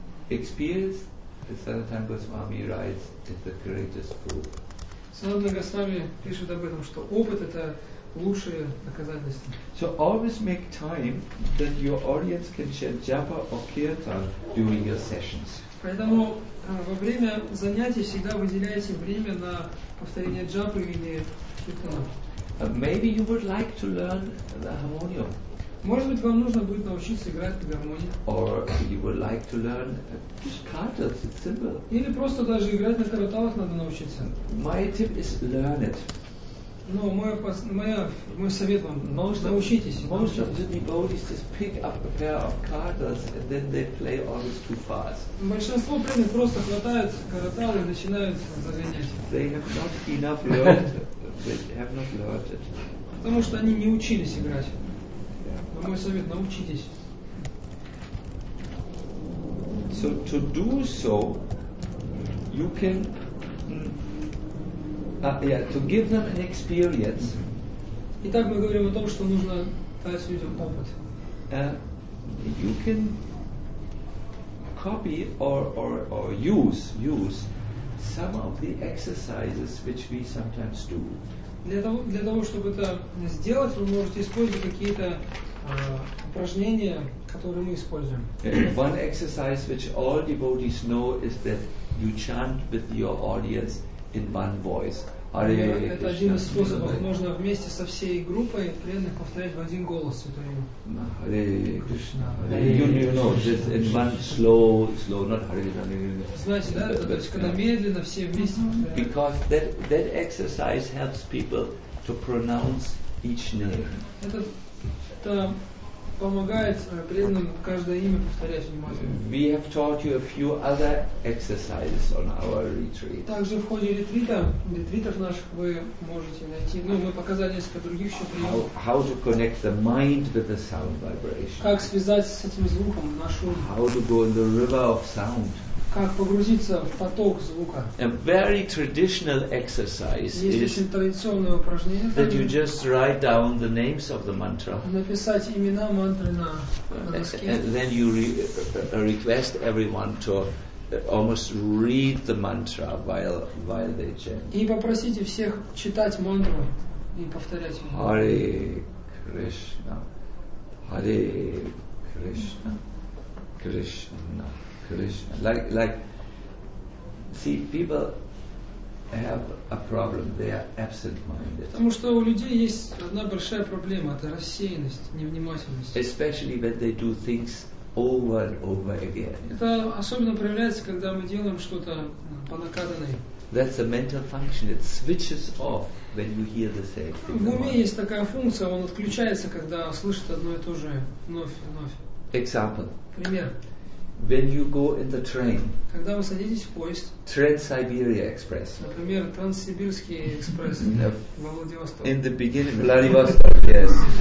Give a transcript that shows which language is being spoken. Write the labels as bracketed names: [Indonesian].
[English] Experience, Sanatana Goswami writes, is the greatest proof. [Russian] Саранда Госвами пишет об этом, что опыт – это лучшее доказательство. [English] So always make time that your audience can share japa or kirtan during your sessions. [Russian] Поэтому во время занятий всегда выделяйте время на повторение джапы или киртана. [English] Maybe you would like to learn the harmonium. [Russian] Может быть, вам нужно будет научиться играть на гармонии. [English] Or you would like to learn just cartels, it's simple. [Russian] Или просто даже играть на караталах надо научиться. [English] My tip is learn it. [Russian] Но мой совет вам, научитесь. [English] Most of the devotees just pick up a pair of cartels and then they play always too fast. [Russian] Большинство преданных просто хватают караталы и начинают загонять. [English] They have not enough learned. They have not learned it. [Russian] Потому что они не учились играть. Но мой совет, научитесь. [English] So to do so, you can. To give them an experience. [Russian] Итак, мы говорим о том, что нужно дать людям опыт. [English] You can copy or use some of the exercises which we sometimes do. [Russian] Для того, чтобы это сделать, вы можете использовать какие-то упражнения, которые мы используем. [English] One exercise which all devotees know is that you chant with your audience in one voice. [Russian] Это один из способов. Можно вместе со всей группой преданных повторять в один голос Святой Имя. [Sanskrit] Харе Кришна. [English] You know, just in one slow, not Харе Кришна. [Russian] Знаете, да? То есть, когда медленно все вместе повторяют. [English] Because that exercise helps people to pronounce each name. [Russian] Это помогает преданным каждое имя повторять внимательно. [English] We have taught you a few other exercises on our retreat. [Russian] Также в ходе ретритов наших вы можете найти. Ну, мы показали несколько других еще приемов. [English] How to connect the mind with the sound vibration. [Russian] Как связать с этим звуком нашу. [English] How to go in the river of sound. [Russian] Как погрузиться в поток звука. [English] A very traditional exercise is that you just write down the names of the mantra. [Russian] Написать имена мантры на доске. [English] And then you request everyone to almost read the mantra while they chant. [Russian] И попросите всех читать мантру и повторять ее. [Sanskrit] Hare Krishna, Hare Krishna, Krishna. Krishna. [English] Like, see, people have a problem. They are absent-minded. [Russian] Потому что у людей есть одна большая проблема – это рассеянность, невнимательность. [English] Especially when they do things over and over again. [Russian] Это особенно проявляется, когда мы делаем что-то по накатанной. [English] That's a mental function. It switches off when you hear the same thing. [Russian] В уме есть такая функция. Он отключается, когда слышит одно и то же вновь и вновь. [English] Example. [Russian] Пример. [English] When you go in the train, [Russian] когда вы садитесь в поезд, [English] Trans-Siberia Express, [Russian] например, Транссибирский экспресс, во Владивосток. [English] In the beginning, Владивосток, yes.